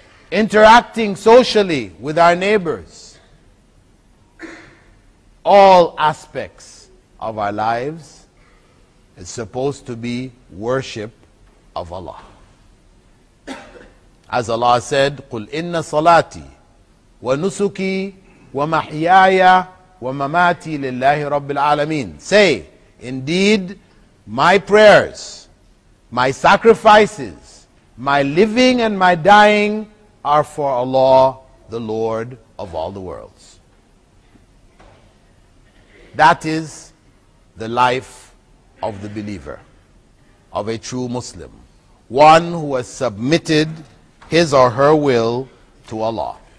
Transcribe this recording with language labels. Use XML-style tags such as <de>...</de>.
<en>interacting socially with our neighbors, all aspects of our lives is supposed to be worship of Allah. As Allah said,</en> <ar>قُلْ إِنَّ صَلَاتِي وَنُسُكِي وَمَحْيَايَ وَمَمَاتِي لِلَّهِ رَبِّ الْعَالَمِينَ.</ar> <en>Say, indeed, my prayers, my sacrifices, my living and my dying are for Allah, the Lord of all the worlds. That is the life of the believer, of a true Muslim, one who has submitted his or her will to Allah.</en>